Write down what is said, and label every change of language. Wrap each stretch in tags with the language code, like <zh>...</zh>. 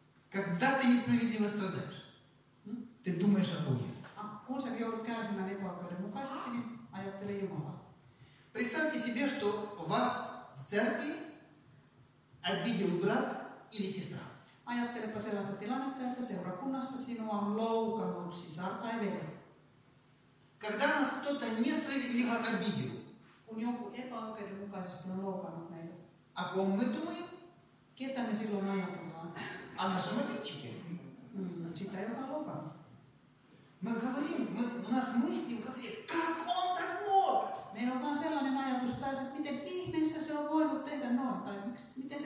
<ru>Когда ты несправедливо страдаешь, ты думаешь о Боге.</ru> <fi>А kun sä joudut kärsimään epäoikeudenmukaisesti, niin ajattele Jumalaa.</fi> <ru>Представьте себе, что вас в церкви обидел брат или сестра.</ru> <fi>Ajattelepa sellaista tilannetta, että seurakunnassa sinua on loukannut sisar tai veli.</fi> <ru>Когда нас кто-то несправедливо обидел,</ru> <fi>kun joku epäoikeudenmukaisesti on loukannut meitä,</fi> <ru>о ком мы думаем?</ru> <fi>Ketä me silloin ajatellaan?</fi> <ru>О нашем обидчике.</ru> <fi>Sitä, joka on loukannut.</fi> <ru>Мы говорим, у нас мысли в голове, как он так мог?</ru> <fi>Meillä on vaan sellainen ajatus päässä, että miten ihmeessä se on voinut tehdä noin, tai miksi, miten se</fi>